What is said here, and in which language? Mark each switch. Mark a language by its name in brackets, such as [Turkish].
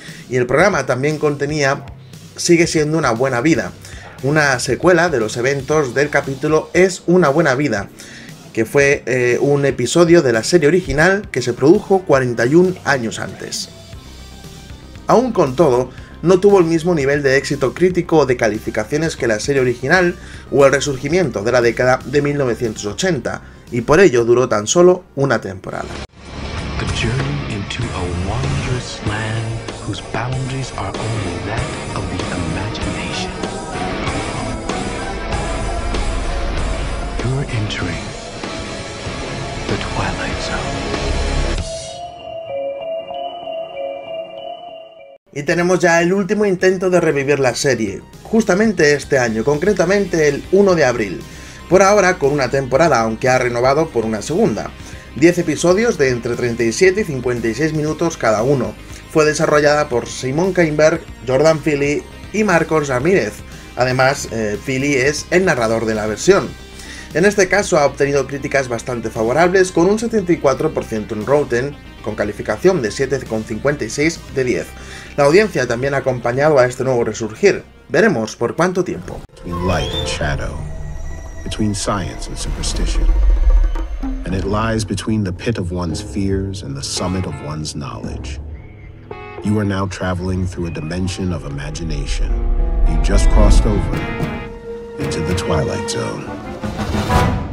[Spanish] Y el programa también contenía Sigue siendo una buena vida, una secuela de los eventos del capítulo Es una buena vida, que fue un episodio de la serie original que se produjo 41 años antes. Aún con todo, no tuvo el mismo nivel de éxito crítico o de calificaciones que la serie original o el resurgimiento de la década de 1980, y por ello duró tan solo una temporada. [English] A journey into a wondrous land whose boundaries are only that of the imagination. You're entering the Twilight Zone. [Spanish] Y tenemos ya el último intento de revivir la serie, justamente este año, concretamente el 1 de abril. Por ahora con una temporada, aunque ha renovado por una segunda. 10 episodios de entre 37 y 56 minutos cada uno. Fue desarrollada por Simon Kinberg, Jordan Philly y Marcos Ramírez. Además, Philly es el narrador de la versión. En este caso ha obtenido críticas bastante favorables, con un 74% en Rotten, con calificación de 7,56 de 10. La audiencia también ha acompañado a este nuevo resurgir. Veremos por cuánto tiempo. [English] Light and shadow, between science and superstition, and it lies between the pit of one's fears and the summit of one's knowledge. You are now traveling through a dimension of imagination. You just crossed over into the Twilight Zone.